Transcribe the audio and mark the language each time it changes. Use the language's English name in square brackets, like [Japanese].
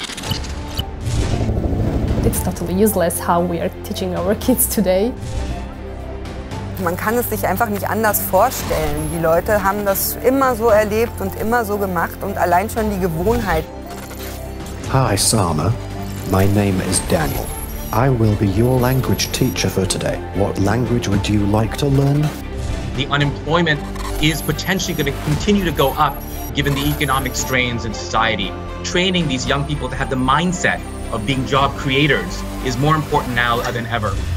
[English] it's totally useless how we are teaching our kids today. [German] Man kann es sich einfach nicht anders vorstellen. Die Leute haben das immer so erlebt und immer so gemacht und allein schon die Gewohnheit. [English] Hi Sama, my name is Daniel. I will be your language teacher for today. What language would you like to learn? The unemployment is potentially going to continue to go up given the economic strains in society. Training these young people to have the mindset of being job creators is more important now than ever.